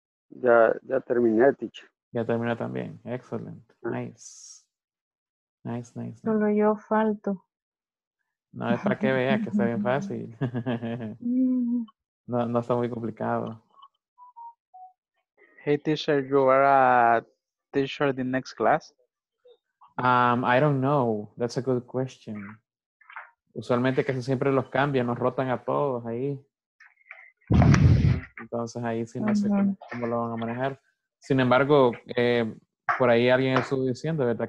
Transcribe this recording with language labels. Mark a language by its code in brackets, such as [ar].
[es] Ya terminé, teacher. Ya terminé también. [en] Excellent. Nice. Nice, nice. [es] Solo yo falto. No, es para que vea que está bien fácil. No, no está muy complicado. [en] Hey, teacher, you are a teacher in next class? I don't know. That's a good question. [es] Usualmente casi siempre los cambian, nos rotan a todos ahí. Entonces ahí sí no sé cómo lo van a manejar. Sin embargo, por ahí alguien estuvo diciendo, ¿verdad?